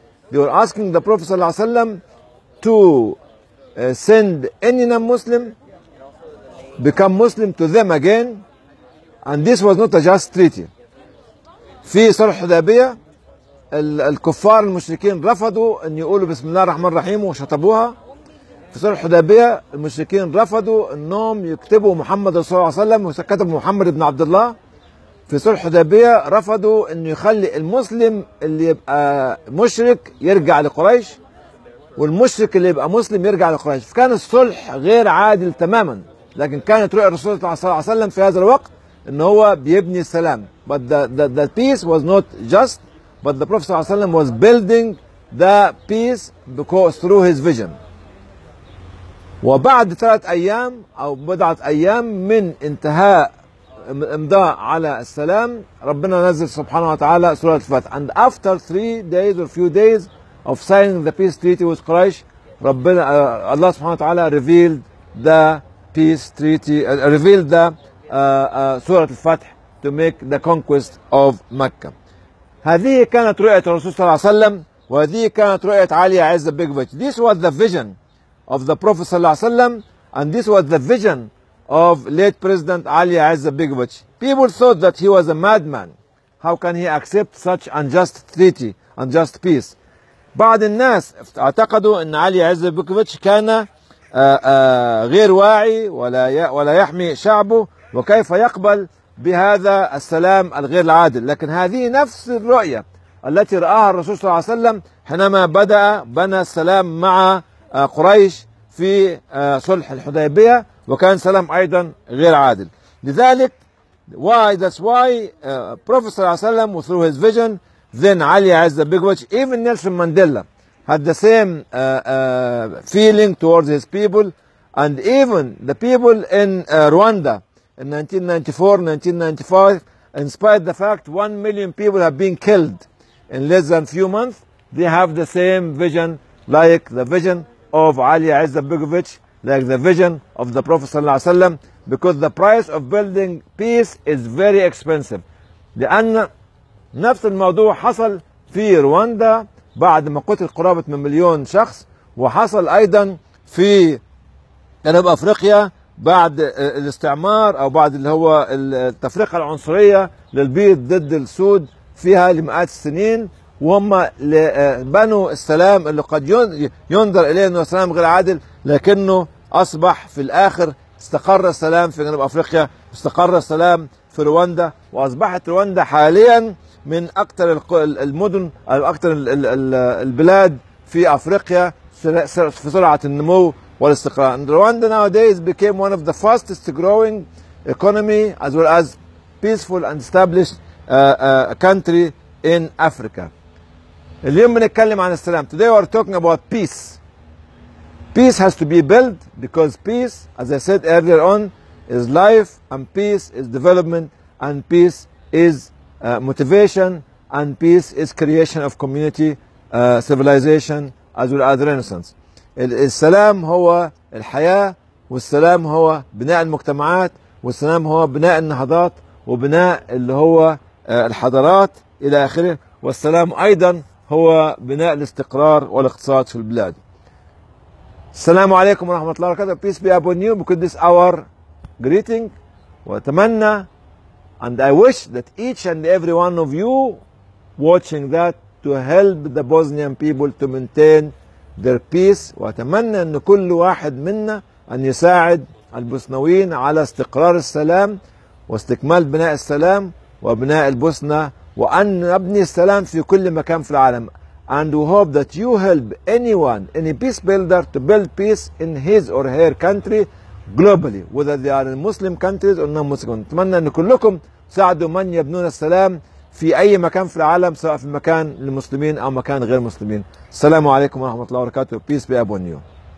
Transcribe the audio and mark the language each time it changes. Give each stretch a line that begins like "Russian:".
English: They were asking the Prophet ﷺ to send any non-Muslim, become Muslim to them again. And this was not a just treaty.
Arabic: في صلح حديبية الكفار المشركين رفضوا أن يقولوا بسم الله الرحمن الرحيم وشطبوها. في صلح حديبية المشركين رفضوا أنهم يكتبوا محمد صلى الله عليه وسلم وكتبوا محمد بن عبد الله. في صلح حديبية رفضوا أن يخلي المسلم اللي يبقى مشرك يرجع لقريش والمشرك اللي يبقى مسلم يرجع لقريش. فكان الصلح غير عادل تماما، لكن كانت رؤية الرسول صلى الله عليه وسلم في هذا الوقت أن هو بيبني السلام.
English: But the peace was not just, but the Prophet صلى الله عليه وسلم was building the peace because through his vision.
Arabic: وبعد ثلاث أيام أو بضعة أيام من انتهاء إمضاء على السلام، ربنا نزل سبحانه وتعالى سورة الفتح.
English: And after three days or few days of signing the peace treaty with Quraysh,
Arabic: ربنا الله سبحانه وتعالى
English: revealed the peace treaty, revealed the سورة الفتح to make the conquest of Mecca.
Arabic: هذه كانت رؤية الرسول صلى الله عليه وسلم وهذه كانت رؤية علي عزبيجوفيتش.
English: This was the vision of the Prophet صلى الله عليه وسلم and this was the vision of late President علي عزبيجوفيتش. People thought that he was a madman. How can he accept such unjust treaty, unjust peace?
Arabic: بعض الناس اعتقدوا أن علي عزبيجوفيتش كان غير واعي ولا يحمي شعبه وكيف يقبل بهذا السلام الغير العادل، لكن هذه نفس الرؤية التي رآها الرسول صلى الله عليه وسلم حينما بدأ بنى السلام مع قريش في صلح الحديبية، وكان سلام أيضا غير عادل. لذلك
English: why that's why Prophet صلى الله عليه وسلم through his vision then علي عزبيجوفيتش even Nelson Mandela had the same feeling towards his people and even the people in Rwanda in 1994-1995, in spite the fact 1 million people have been killed in less than few months, they have the same vision like the vision of Ali Izetbegovic, like the vision of the Prophet صلى الله عليه وسلم, because the price of building peace is very expensive.
Arabic: لأن نفس الموضوع حصل في رواندا بعد ما قتل قرابة من مليون شخص وحصل أيضا في جنوب أفريقيا بعد الاستعمار او بعد اللي هو التفرقه العنصريه للبيض ضد السود فيها لمئات السنين وهم بنوا السلام اللي قد ينظر اليه انه سلام غير عادل لكنه اصبح في الاخر استقر السلام في جنوب افريقيا استقر السلام في رواندا واصبحت رواندا حاليا من اكثر المدن او اكثر البلاد في افريقيا في سرعه النمو والاستقرار.
English: And Rwanda nowadays became one of the fastest growing economy as well as peaceful and established country in Africa.
Arabic: اليوم بنتكلم عن السلام.
English: Today we are talking about peace. peace has to be built, because peace, as I said earlier on, is life, and peace is development, and peace is motivation, and peace is creation of community, civilization, as well as renaissance.
Arabic: السلام هو الحياة، والسلام هو بناء المجتمعات، والسلام هو بناء النهضات، وبناء اللي هو الحضارات إلى آخره، والسلام أيضا هو بناء الاستقرار والاقتصاد في البلاد. السلام عليكم ورحمة الله وبركاته.
English: Peace be upon you. Because this our greeting.
Arabic: وأتمنى
English: and I wish that each and every one of you watching that to help the Bosnian people to maintain their peace.
Arabic: وأتمنى أن كل واحد منا أن يساعد البوسنويين على استقرار السلام واستكمال بناء السلام وبناء البوسنة وأن نبني السلام في كل مكان في العالم.
English: And we hope that you help anyone, any peace builder, to build peace in his or her country globally, whether they are in Muslim countries or non-Muslim.
Arabic: نتمنى أن كلكم تساعدوا من يبنون السلام في أي مكان في العالم، سواء في مكان للمسلمين أو مكان غير مسلمين. السلام عليكم ورحمة الله وبركاته.
English: Peace be upon you.